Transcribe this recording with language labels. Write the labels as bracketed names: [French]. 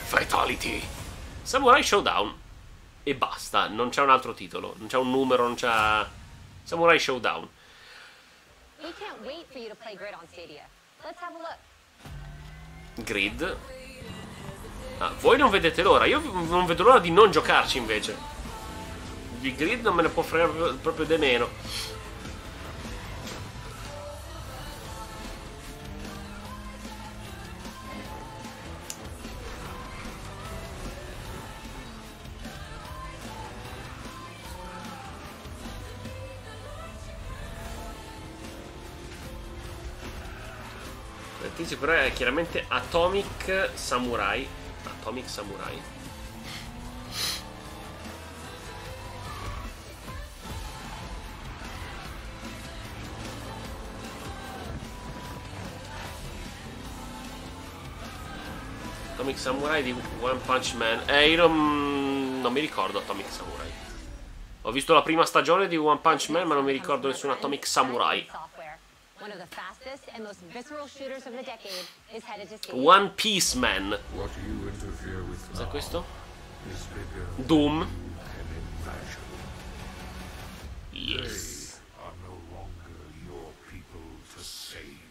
[Italian] avanti. [English] Samurai Showdown. [Italian] E basta, non c'è un altro titolo, non c'è un numero, non c'è... [English] Samurai Showdown. We can't wait for you to play Grid on Stadia. Let's have a look. Grid? [Italian] Ah, voi non vedete l'ora, io non vedo l'ora di non giocarci invece. Di Grid non me ne può fregare proprio di meno. Però è chiaramente Atomic Samurai. Atomic Samurai. Atomic Samurai di One Punch Man. Io non mi ricordo Atomic Samurai. Ho visto la prima stagione di One Punch Man, ma non mi ricordo nessun Atomic Samurai. [English] One of the fastest and most visceral shooters of the decade is headed to Stadia. One Piece Man. What do you interfere with? Is that questo? Doom. Yes. They are no longer your people to save.